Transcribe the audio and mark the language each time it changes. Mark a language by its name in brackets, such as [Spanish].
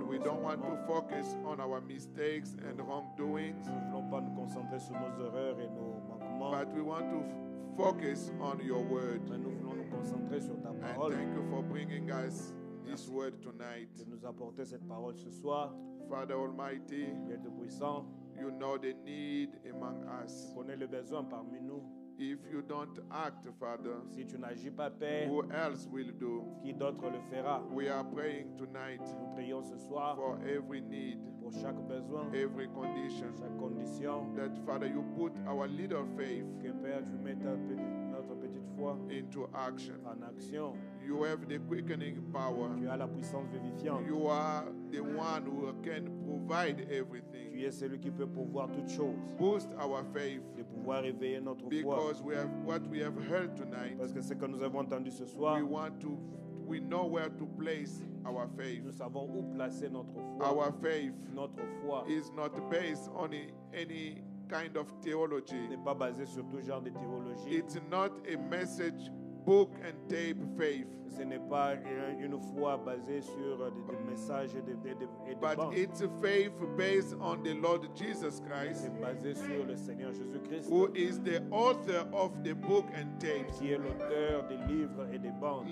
[English] And we don't want to focus on our mistakes and wrongdoings. [French] Nous ne voulons pas nous concentrer sur nos erreurs et nos manquements. [English] But we want to focus on your word. [French] Mais nous voulons nous concentrer sur ta parole. [English] And thank you for bringing us this word tonight. [French] De nous apporter cette parole ce soir. [English] Father Almighty, [French] Dieu tout puissant, [English] you know the need among us. [French] Tu connais le besoin parmi nous. [English] If you don't act, Father, [French] si tu n'agis pas, Père, [English] who else will do? [French] Qui d'autre le fera? [English] We are praying tonight. [French] Nous prions ce soir [English] for every need, [French] pour chaque besoin, [English] every condition, [French] chaque condition. [English] That Father, you put our little faith, [French] que Père, tu mettes notre petite foi, [English] into action, [French] en action. [English] You have the quickening power. [French] Tu as la puissance vivifiante. [English] You are the one who can provide everything. [French] Tu es celui qui peut pourvoir toutes choses. [English] Boost our faith. [French] De pouvoir réveiller notre foi. [English] Because we have what we have heard tonight. [French] Parce que ce que nous avons entendu ce soir. [English] We know where to place our faith. [French] Nous savons où placer notre foi. [English] Our faith. [French] Notre foi. [English] Is not based on any kind of theology. [French] N'est pas basé sur tout genre de théologie. [English] It's not a message. Book and tape faith. [French] Ce n'est pas une foi basée sur des messages et des bandes. [English] But it's a faith based on the Lord Jesus Christ. [French] C'est basé sur le Seigneur Jésus Christ. [English] Who is the author of the book and tape? [French] Qui est l'auteur des livres et des bandes?